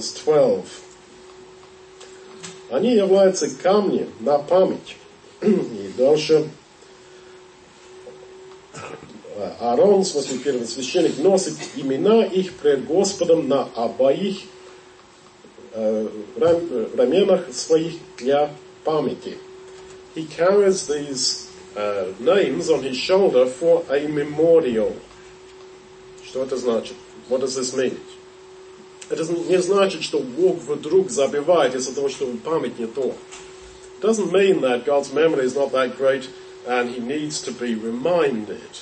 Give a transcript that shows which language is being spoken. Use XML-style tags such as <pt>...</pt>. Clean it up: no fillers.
<ru>In 12 стихе,</ru> <en>verse 12.</en> <ru>Они являются камни на память. И дальше. Аарон, в смысле первый священник, носит имена их пред Господом на обоих раменах своих для памяти.</ru> <en>He carries these names on his shoulder for a memorial.</en> <ru>Что это значит?</ru> <en>What does this mean?</en> <ru>Это не значит, что Бог вдруг забывает из-за того, что память не то.</ru> <en>It doesn't mean that God's memory is not that great and he needs to be reminded.</en>